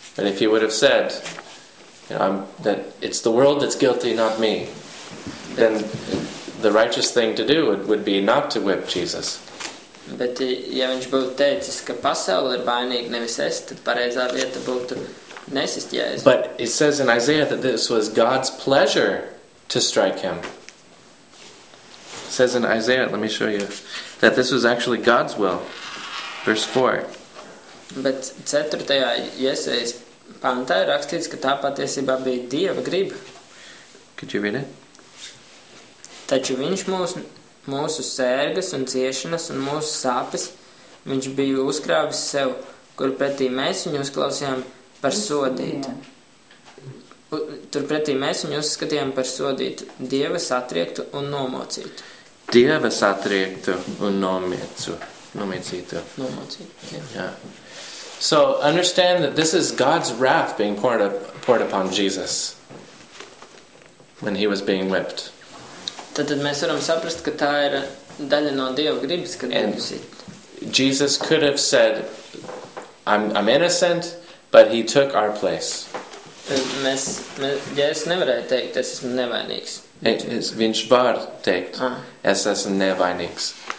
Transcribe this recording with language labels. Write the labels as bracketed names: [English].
[English] But if he would have said, you know, that it's the world that's guilty, not me, then the righteous thing to do would be not to whip Jesus. [Latvian] Bet ja viņš būtu teicis, ka pasaule ir vainīga, nevis es, tad pareizā vieta būtu nesist Jēzu. [English] But it says in Isaiah that this was God's pleasure to strike him. It says in Isaiah, let me show you, that this was actually God's will. Verse 4. [Latvian] Bet 4. Jesajas pantā ir rakstīts, ka tā patiesībā bija Dieva griba. Could you read it? Taču viņš mūsu sērgas un ciešanas un mūsu sāpes, viņš bija uzkrāvis sev, kur pretī mēs viņu uzklausījām par sodītu. Tur pretī mēs viņu uzskatījām par sodītu Dieva satriektu un nomocītu. Dieva satriektu un nomocītu. Nomocītu, jā. [English] So understand that this is God's wrath being poured upon Jesus when he was being whipped. [Latvian] Tad mēs varam saprast, ka tā ir daļa no Dieva gribas, kad Dievs ir. [English] Jesus could have said, I'm innocent, but he took our place. [Latvian] Jēzus nevarēja teikt, es esmu nevainīgs. Viņš var teikt, es esmu nevainīgs.